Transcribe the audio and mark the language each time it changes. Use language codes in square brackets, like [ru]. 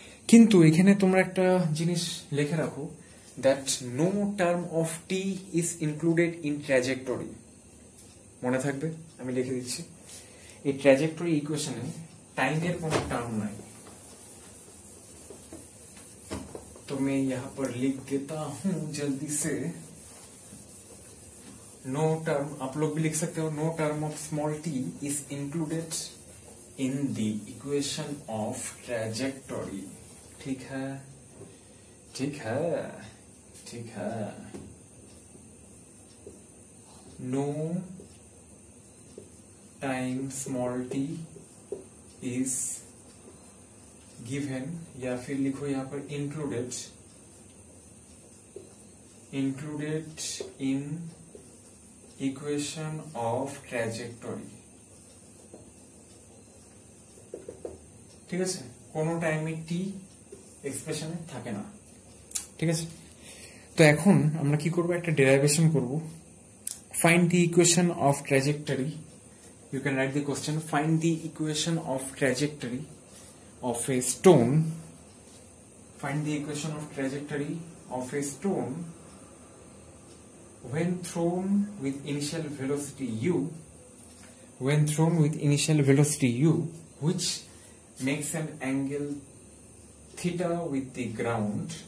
[bn] কিন্তু এখানে তোমরা একটা জিনিস লিখে রাখো [en] that no term of T is included in trajectory, [bn] মনে থাকবে? আমি লিখে দিচ্ছি এই ট্র্যাজেক্টরি ইকুয়েশনে টাইমের কোন টার্ম নাই। [hi] तो मैं यहां पर लिख देता हूं जल्दी से, [en] no term, आप लोग भी लिख सकते हो, no term of small t is included in the equation of trajectory, [hi] ठीक है? ठीक है, ठीक है, [en] no time small t is given, [hi] या फिर लिखो यहां पर included, [en] included in equation of trajectory, [bn] ঠিক আছে? কোনো টাইমে t এক্সপ্রেশনে থাকে না, ঠিক আছে? তো এখন আমরা কি করব, একটা ডেরাইভেশন করব, [en] find the equation of trajectory, you can write the question, find the equation of trajectory of a stone, find the equation of trajectory of a stone when thrown with initial velocity u, when thrown with initial velocity u which makes an angle theta with the ground,